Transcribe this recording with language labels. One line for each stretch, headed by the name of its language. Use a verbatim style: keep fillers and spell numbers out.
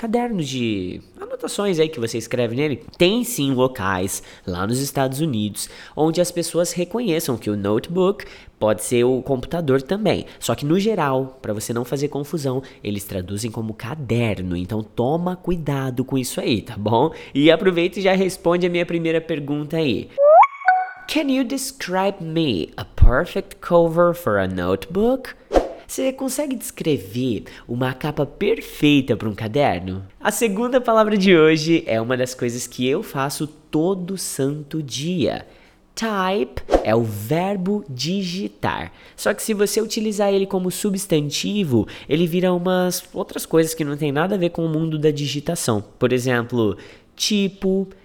Portuguese: Caderno de anotações aí que você escreve nele. Tem sim locais lá nos Estados Unidos onde as pessoas reconheçam que o notebook pode ser o computador também. Só que no geral, para você não fazer confusão, eles traduzem como caderno. Então toma cuidado com isso aí, tá bom? E aproveita e já responde a minha primeira pergunta aí.
English: Can you describe me a perfect cover for a notebook?
Portuguese: Você consegue descrever uma capa perfeita para um caderno? A segunda palavra de hoje é uma das coisas que eu faço todo santo dia. Type é o verbo digitar, só que se você utilizar ele como substantivo, ele vira umas outras coisas que não tem nada a ver com o mundo da digitação. Por exemplo, tipo,